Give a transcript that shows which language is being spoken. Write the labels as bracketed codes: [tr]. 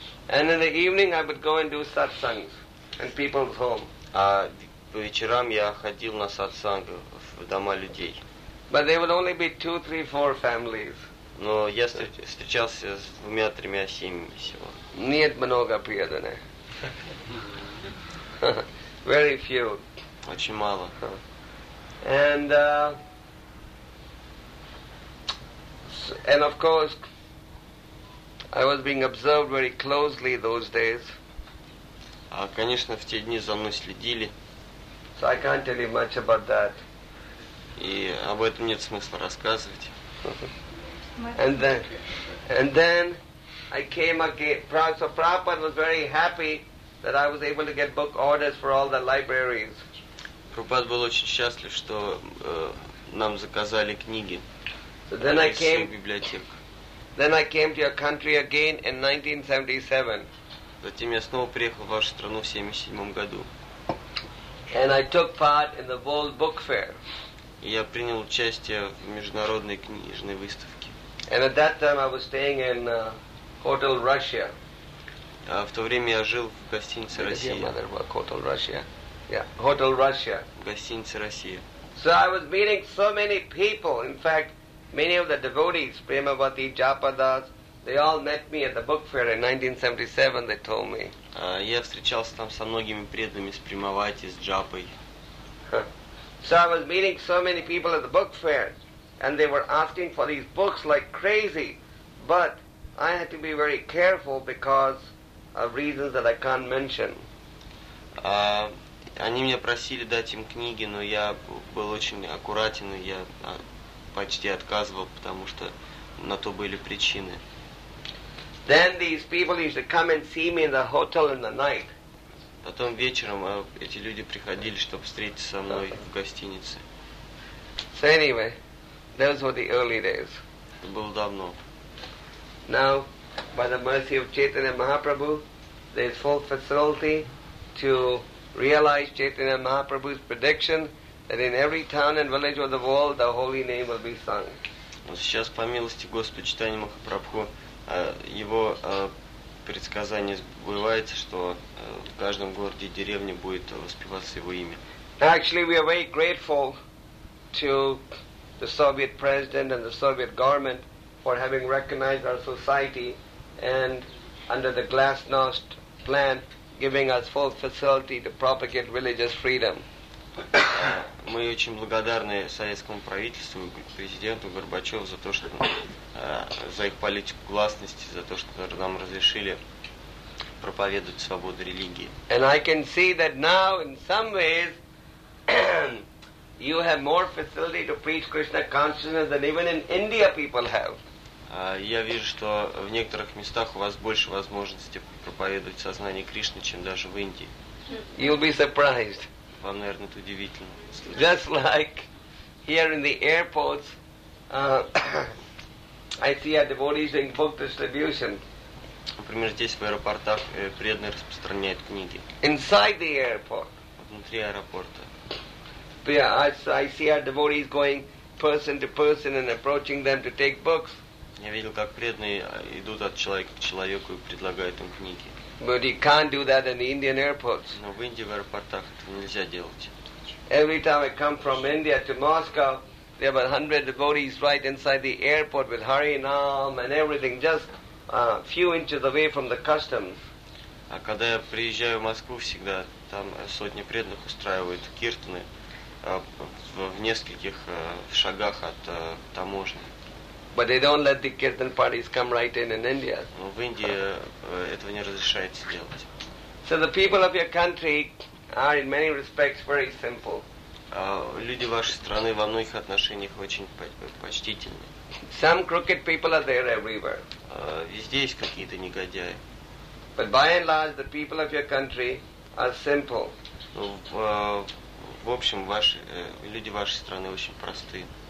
[en] And in the evening I would go and do satsangs in people's home. [ru] А по вечерам я ходил на сатсанг в дома людей. [en] But there would only be 2, 3, 4 families. [ru] Но я встречался с двумя-тремя семьями всего. Нет много преданных. [en] Very few. [ru] Очень мало. [en] And of course I was being observed very closely those days. [ru] А, конечно, в те дни за мной следили. [en] So I can't tell you much about that. [ru] И об этом нет смысла рассказывать. [en] And then I came again. So Prabhupada was very happy that I was able to get book orders for all the libraries. [ru] Prabhupada был очень счастлив, что нам заказали книги. [en] So then I came. [ru] Библиотек. [en] Then I came to your country again in 1977. [ru] Затем я снова приехал в вашу страну в 77 году. [en] And I took part in the World Book Fair. [ru] Я принял участие в международной книжной выставке. [en] And at that time I was staying in Hotel Russia. [ru] А в то время я жил в гостинице «Россия». [en] Hotel Russia. Yeah, Hotel Russia. [ru] Гостиница «Россия». [en] So I was meeting so many people. In fact, many of the devotees, Premavati, Japadas, they all met me at the book fair in 1977, they told me. [ru] Я встречался там со многими преданными, с Премавати, с Джапой. [en] So I was meeting so many people at the book fair, and they were asking for these books like crazy. But I had to be very careful because of reasons that I can't mention. [ru] Они меня просили дать им книги, но я был очень аккуратен, и я почти отказывал, потому что на то были причины. [en] Then these people used to come and see me in the hotel in the night. [ru] Потом вечером эти люди приходили, чтобы встретиться со мной в гостинице. [en] So anyway, those were the early days. [ru] Это было давно. [en] Now, by the mercy of Chaitanya Mahaprabhu, there is full facility to realize Chaitanya Mahaprabhu's prediction that in every town and village of the world the holy name will be sung. [ru] Сейчас по милости Господа Чайтанья Махапрабху его предсказание сбывается, что в каждом городе и деревне будет воспеваться его имя. [en] Actually, we are very grateful to the Soviet president and the Soviet government for having recognized our society and under the Glasnost plant, giving us full facility to propagate religious freedom. [ru] Мы очень благодарны советскому правительству, президенту Горбачеву за то, что за их политику гласности, за то, что нам разрешили проповедовать свободу религии. [en] And I can see that now, in some ways, you have more facility to preach Krishna consciousness than even in India people have. [ru] Я вижу, что в некоторых местах у вас больше возможности проповедовать сознание Кришны, чем даже в Индии. [en] You'll be surprised. [ru] Вам, наверное, это удивительно. [en] Just like here in the airports, I see a devotee doing book distribution. [ru] Например, здесь в аэропортах преданные распространяют книги. [en] Inside the airport. [ru] Внутри аэропорта. [en] Yeah, I see a devotee going person to person and approaching them to take books. [ru] Я видел, как преданные идут от человека к человеку и предлагают им книги. [en] But you can't do that in the Indian airports. [ru] Но в Индии в аэропортах это нельзя делать. [en] Every time I come from India to Moscow, there are 100 devotees right inside the airport with Harinam and everything, just a few inches away from the customs. [ru] А когда я приезжаю в Москву, всегда там сотни преданных устраивают киртаны в нескольких шагах от таможни. [en] But they don't let the kirtan parties come right in India. [ru] В Индии этого не разрешается делать. [en] So the people of your country are in many respects very simple. [ru] Люди вашей страны во многих отношениях очень почтительны. [en] Some crooked people are there everywhere. [ru] Везде есть какие-то негодяи. [en] But by and large, the people of your country are simple. [ru] В общем, люди вашей страны очень простые.